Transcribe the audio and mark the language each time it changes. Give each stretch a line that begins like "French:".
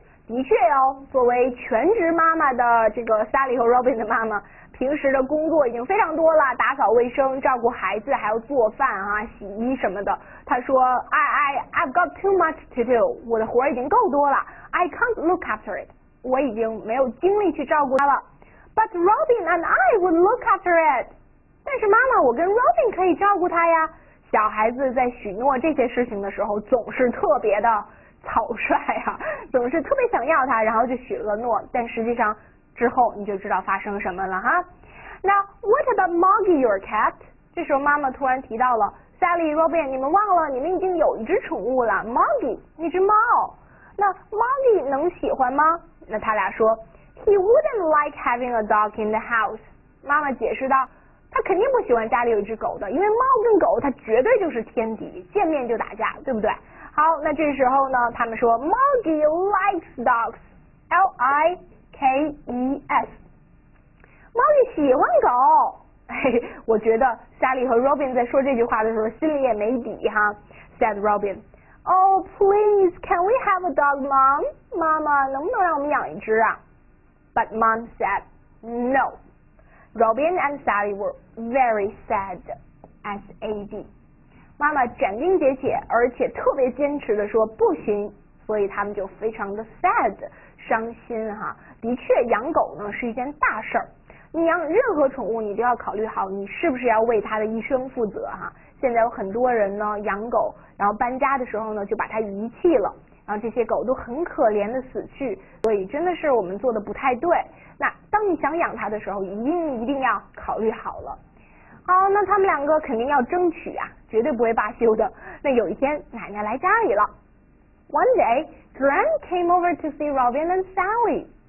Chinese: 的确哦，作为全职妈妈的这个 Sally 和 Robin 的妈妈，平时的工作已经非常多了，打扫卫生、照顾孩子，还要做饭啊、洗衣什么的。她说 ，
English: I've got too much to do.
Chinese: 我的活已经够多了。
English: I can't look after it.
Chinese: 我已经没有精力去照顾它了。
English: But Robin and I would look after it.
Chinese: 但是妈妈，我跟 Robin 可以照顾他呀。小孩子在许诺这些事情的时候，总是特别的草率啊，总是特别想要他，然后就许了诺。但实际上之后你就知道发生什么了哈。
English: Now what about Moggy, your cat?
Chinese: 这时候妈妈突然提到了 Sally, Robin， 你们忘了你们已经有一只宠物了 ，Moggy， 那只猫。那 Moggy 能喜欢吗？那他俩说 ，
English: He wouldn't like having a dog in the house。
Chinese: 妈妈解释道。他肯定不喜欢家里有一只狗的，因为猫跟狗它绝对就是天敌，见面就打架，对不对？好，那这时候呢，他们说 Moggy
English: likes dogs，
Chinese: L-I-K-E-S， Moggy 喜欢狗。我觉得 Sally 和 Robin 在说这句话的时候心里也没底哈。
English: Said Robin， Oh please， can we have a dog， Mom？
Chinese: 妈妈能不能让我们养一只啊？
English: But Mom said no。 Robin and Sally were very sad, S-A-D.
Chinese: 妈妈斩钉截铁，而且特别坚持地说不行，所以他们就非常的 sad, 伤心哈。的确，养狗呢是一件大事儿。你养任何宠物，你都要考虑好你是不是要为它的一生负责哈。现在有很多人呢养狗，然后搬家的时候呢就把它遗弃了。然后这些狗都很可怜的死去，所以真的是我们做的不太对。那当你想养它的时候，一定要考虑好了。好，那他们两个肯定要争取啊，绝对不会罢休的。那有一天奶奶来家里了。
English: One day, Grand came over to see Robin and Sally.